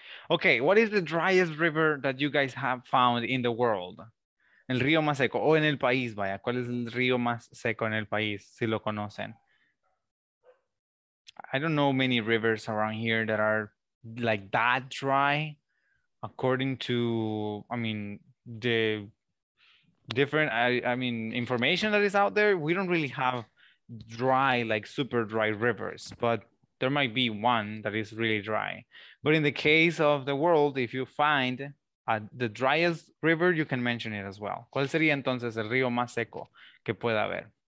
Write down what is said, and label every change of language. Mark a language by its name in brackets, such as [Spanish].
[English] Okay, what is the driest river that you guys have found in the world? [Spanish] El río más seco, o en el país, vaya. ¿Cuál es el río más seco en el país, si lo conocen? [English] I don't know many rivers around here that are like that dry, according to, I mean, the different, I mean, information that is out there. We don't really have dry, like super dry rivers, but there might be one that is really dry. But in the case of the world, if you find the driest river, you can mention it as well. [Spanish] ¿Cuál sería entonces el río más seco que pueda haber?